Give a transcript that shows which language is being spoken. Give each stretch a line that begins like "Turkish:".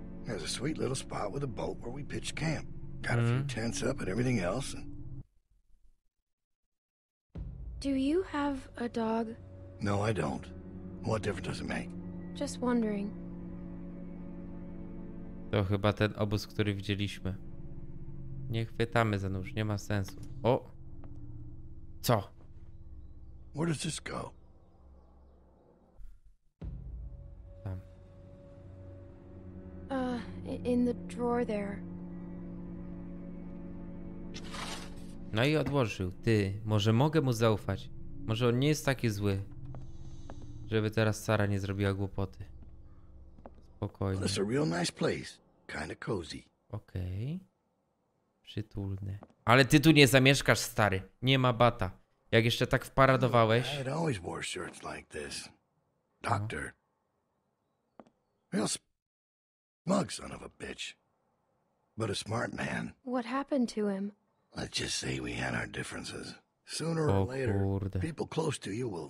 English: There's a sweet little spot with a boat where we pitch camp. Got a few tents up and everything else. And... Do you have a dog? No, I don't. What difference does it make? Just wondering.
Polish: To chyba ten obóz, który widzieliśmy. Nie chwytamy za nóż, nie ma sensu. O! Co?
English: Where does this go?
Polish: Tam.
English: In the drawer there.
Polish: No i odłożył. Ty, może mogę mu zaufać? Może on nie jest taki zły? Żeby teraz Sara nie zrobiła głupoty. Spokojnie.
English: It's a real nice place. Kinda cozy.
Polish: Okej. Przytulne. Ale ty tu nie zamieszkasz, stary. Nie ma bata. Jak jeszcze tak wparadowałeś.
English: I always wore shirts like this. Doctor. Real smug son of a bitch. But a smart man. What happened to him? Let's just say we had our differences. Sooner or later, people close to you will.